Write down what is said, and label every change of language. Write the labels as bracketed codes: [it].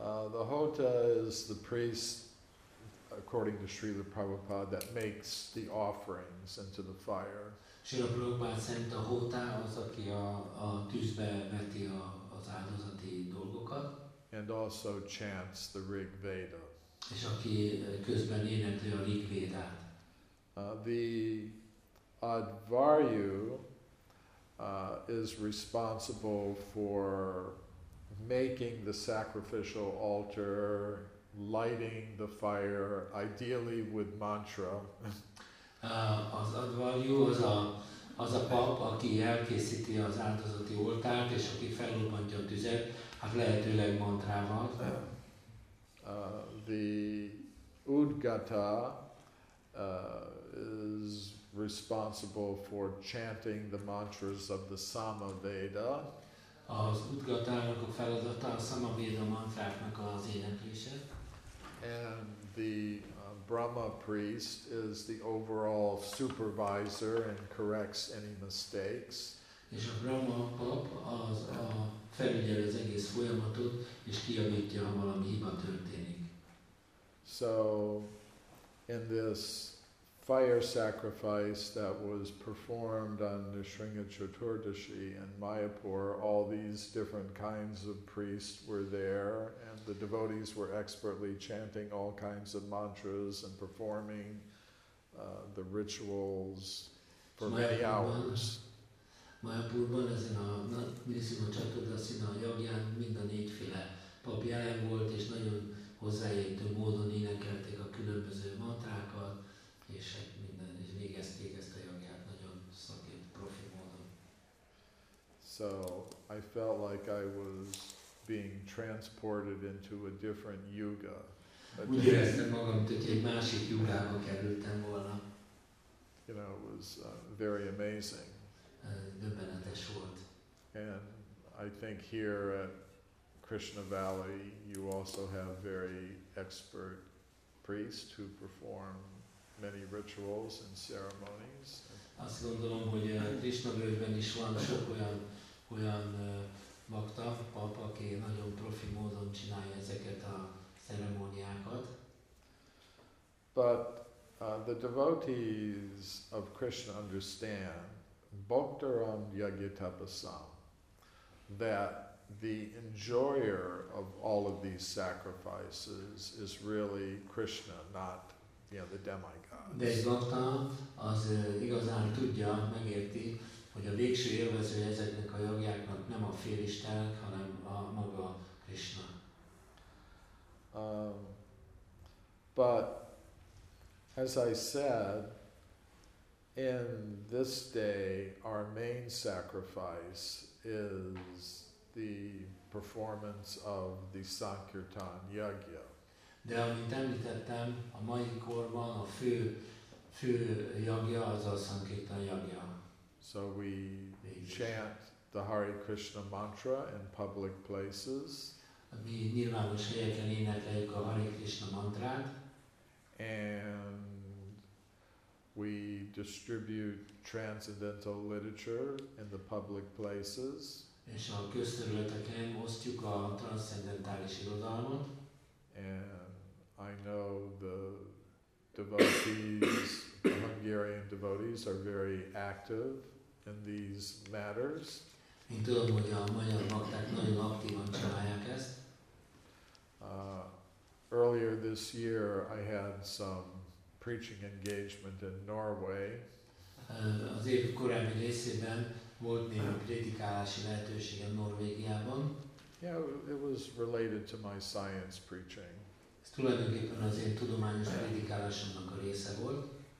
[en] The hota is the priest, according to Srila Prabhupada, that makes the offerings into the fire. [hu] Srila Prabhupada szerint a hota az, aki a tűzbe veti az áldozati dolgokat. [en] And also chants the Rig Veda. [hu] És aki közben énekli a Rig Vedát. [en] The Advaryu is responsible for making the sacrificial altar, lighting the fire, ideally with mantra. [hu] Az advaryu az a pap, aki elkészíti az áldozati oltárt, és aki felrobbantja a tüzet, hát lehetőleg mantrával. [en] The udgata is responsible for chanting the mantras of the Samaveda. [hu] Az udgatának a feladata a Samaveda mantráknak az éneklése. [en] And the Brahma priest is the overall supervisor and corrects any mistakes. [hu] És a Brahma pap az felügyel az egész folyamatot, és kijavítja, ha valami hiba történik. [en] So, in this fire sacrifice that was performed on Nrisimha Chaturdashi in Mayapur. All these different kinds of priests were there, and the devotees were expertly chanting all kinds of mantras and performing the rituals for many hours. [hu] Mayapurban ezen a Nrisimha Chaturdashina jagján mind a négyféle papja volt, és nagyon hozzáértő módon énekelték a különböző mantrákat, és minden, és végezték ezt a jagját nagyon szakért, profi módon. [en] So I felt like I was being transported into a different yuga. [hu] Úgy éreztem magam, hogy egy másik yugába kerültem volna. [en] You know, it was very amazing. [hu] Döbbenetes volt. [en] And I think here at Krishna Valley, you also have very expert priests who perform many rituals and ceremonies. [hu] Azt gondolom, hogy Krishna Valley-ben is van sok olyan bakta, pap, aki nagyon profi módon csinálja ezeket a ceremóniákat. [en] But the devotees of Krishna understand [sa] Bhaktaram Yagyatapasam, [en] that the enjoyer of all of these sacrifices is really Krishna, not, you know, the demigods. [hu] De egy bhakta az igazán tudja, megérti, hogy a végső élvező ezeknek a jogjáknak nem a félistenek, hanem a maga Krishna. [en] But as I said, in this day, our main sacrifice is the performance of the Sankirtan Yagya. [hu] De amint említettem, a mai korban a fő yagya az a Sankirtan Yagya. [en] So we chant the Hare Krishna mantra in public places. [hu] Mi nyilvános helyeken énekeljük a Hare Krishna mantrát. [en] And we distribute transcendental literature in the public places. [hu] És a közterületeken osztjuk a transzcendentális irodalmat. [en] And I know the devotees, the Hungarian devotees, are very active in these matters. [hu] Én tudom, hogy a magyar bakták nagyon aktívan csinálják ezt. [en] Earlier this year, I had some preaching engagement in Norway. [hu] Az év korábbi részében volt némi prédikálási lehetőség a Norvégiában. [en] Yeah, it was related to my science preaching. [hu] Ez tulajdonképpen az én tudományos prédikálásomnak a része volt.